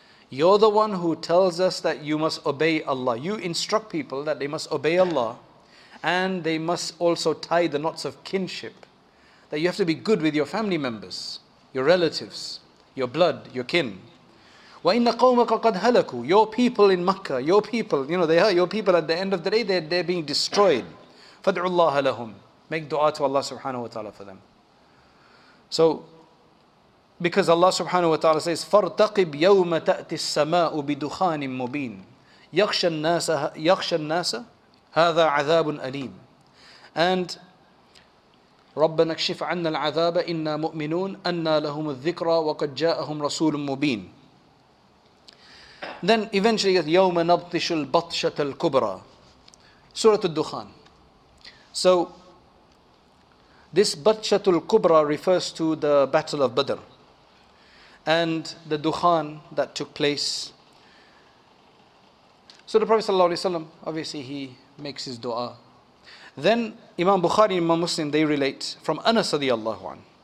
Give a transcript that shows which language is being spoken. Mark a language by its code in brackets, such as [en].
[en] You're the one who tells us that you must obey Allah. You instruct people that they must obey Allah and they must also tie the knots of kinship. That you have to be good with your family members, your relatives, your blood, your kin. [ar] Wa inna qawmaka qad halaku, [en] your people in Makkah, your people, you know, they are your people at the end of the day, they're being destroyed. [ar] Fad'u Allah lahum, [en] make dua to Allah subhanahu wa ta'ala for them. So, because Allah subhanahu wa ta'ala says, [ar] فَارْتَقِبْ يَوْمَ تَأْتِ السَّمَاءُ بِدُخَانٍ مُبِينٍ يَخْشَ النَّاسَ هَذَا عَذَابٌ أَلِيمٌ. And رَبَّنَا اكْشِفْ عَنَّا الْعَذَابَ إِنَّا مُؤْمِنُونَ أَنَّا لَهُمُ الذِّكْرَى وَقَدْ جَاءَهُمْ رَسُولٌ مُبِينٌ. [en] Then eventually, [ar] يَوْمَ نَبْطِشُ الْبَطْشَةَ الْكُبْرَى. [en] Surah Al-Dukhan. So, this Batshat al-Kubra refers to the Battle of Badr. And the Dukhan that took place. So the Prophet ﷺ, obviously he makes his dua. Then Imam Bukhari and Imam Muslim, they relate from Anas radiallahu anhu.